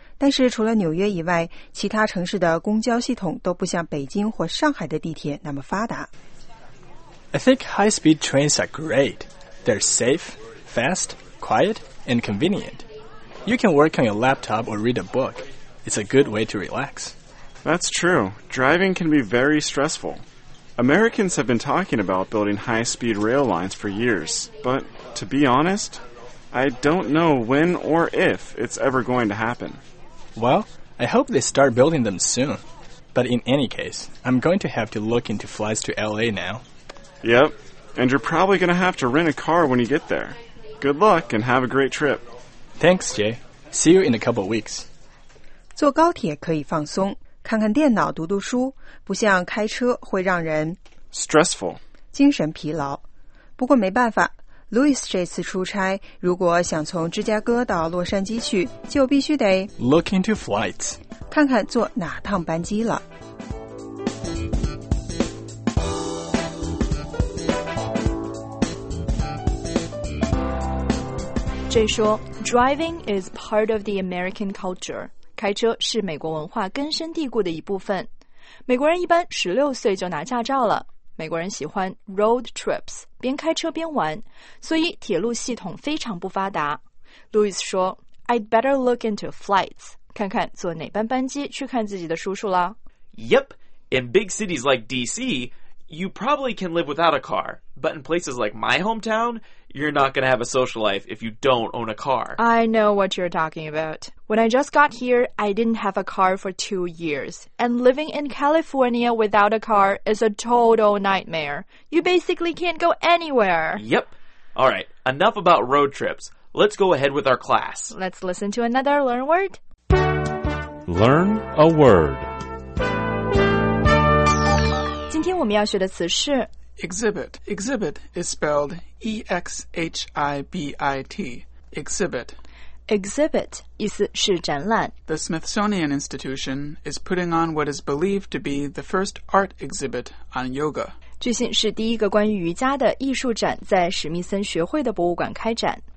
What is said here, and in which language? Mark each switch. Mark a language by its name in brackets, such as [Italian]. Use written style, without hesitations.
[Chinese] 但是除了纽约以外，其他城市的公交系统都不像北京或上海的地铁那么发达。 [English] I think high-speed trains are great. They're safe, fast, quiet, and convenient. You can work on your laptop or read a book. It's a good way to relax. That's true. Driving can be very stressful. Americans have been talking about building high-speed rail lines for years, but to be honest, I don't know when or if it's ever going to happen. Well, I hope they start building them soon. But in any case, I'm going to have to look into flights to LA now. Yep, and you're probably going to have to rent a car when you get there. Good luck and have a great trip. Thanks, Jay. See you in a couple weeks. [Chinese] 坐高铁可以放松，看看电脑，读读书，不像开车会让人 [English] stressful [Chinese] 精神疲劳。不过没办法，Louis 这次出差，如果想从芝加哥到洛杉矶去，就必须得 [English] look into flights， [Chinese] 看看坐哪趟班机了。这说 [English] driving is part of the American culture， [Chinese] 开车是美国文化根深蒂固的一部分。美国人一般16岁就拿驾照了。美国人喜欢 [English] road trips， [Chinese] 边开车边玩，所以铁路系统非常不发达。 Louis 说 ， [English] I'd better look into flights， [Chinese] 看看坐哪班班机去看自己的叔叔啦。 [English] Yep， in big cities like DC， you probably can live without a car， but in places like my hometown， you're not gonna have a social life if you don't own a car. I know what you're talking about. When I just got here, I didn't have a car for 2 years. And living in California without a car is a total nightmare. You basically can't go anywhere. Yep. All right, enough about road trips. Let's go ahead with our class. Let's listen to another Learn Word. Learn a word. [Chinese] 今天我们要学的词是 [English] Exhibit. Exhibit is spelled E-X-H-I-B-I-T. Exhibit. [Chinese] Exhibit 意思是展览。 [English] The Smithsonian Institution is putting on what is believed to be the first art exhibit on yoga. [Chinese] 据信是第一个关于瑜伽的艺术展在史密森学会的博物馆开展。